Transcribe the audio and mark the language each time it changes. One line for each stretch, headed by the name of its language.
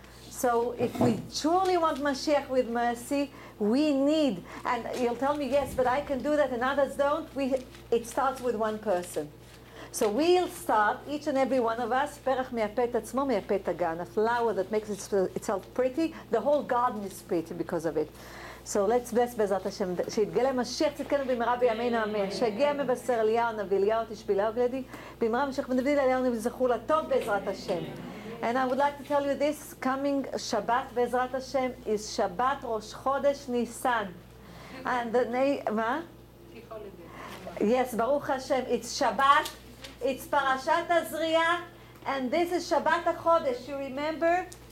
English: So if we truly want Mashiach with mercy, we need, and you'll tell me, yes, but I can do that and others don't, it starts with one person. So we'll start, each and every one of us,
Hebrew: perach meyapet atzmo meyapet agan,
English: a flower that makes itself pretty, the whole garden is pretty because of it. So let's bless
Hebrew: Bezat Hashem. שיתגלה משיח צדקנו במהרה בימינו אמן. שיגיע מבשר אליהו הנביא, אליהו תשבי, אליהו גלדי. במהרה משיח בנביא אליהו נביא זכור לטוב בעזרת השם.
English: And I would like to tell you this, coming Shabbat
Hebrew: בעזרת השם
English: is Shabbat Rosh Chodesh Nisan. And the name,
Hebrew: מה?
English: Yes,
Hebrew: ברוך השם,
English: it's Shabbat, it's פרשת הזריעה, and this is Shabbat HaChodesh, you remember?